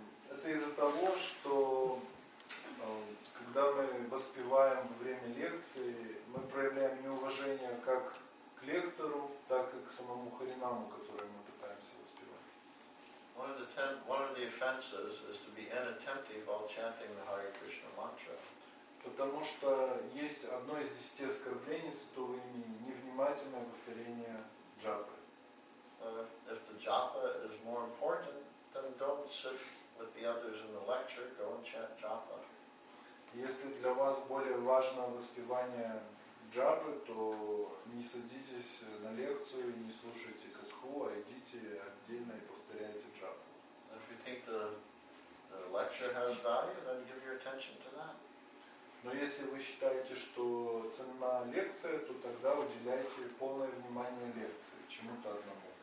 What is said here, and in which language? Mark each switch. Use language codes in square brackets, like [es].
[ru] Это из-за того, что когда мы воспеваем во время лекции, мы проявляем неуважение как к лектору, так и к самому Харинаму, который мы пытаемся воспевать. [en] One of the offenses is to be inattentive while chanting the Hare Krishna mantra. [ru] Потому что есть одно из десяти оскорблений святого имени – невнимательное повторение джапы. [en] If the japa is more important, then don't sit with the others in the lecture, go and chant japa. [ru] Если для вас более важно воспевание джапы, то не садитесь на лекцию и не слушайте катху, а идите отдельно и повторяйте джапу. [en] If you think the lecture has value, then give your attention to that. [ru] Но если вы считаете, что ценна лекция, то тогда уделяйте полное внимание лекции, чему-то одному.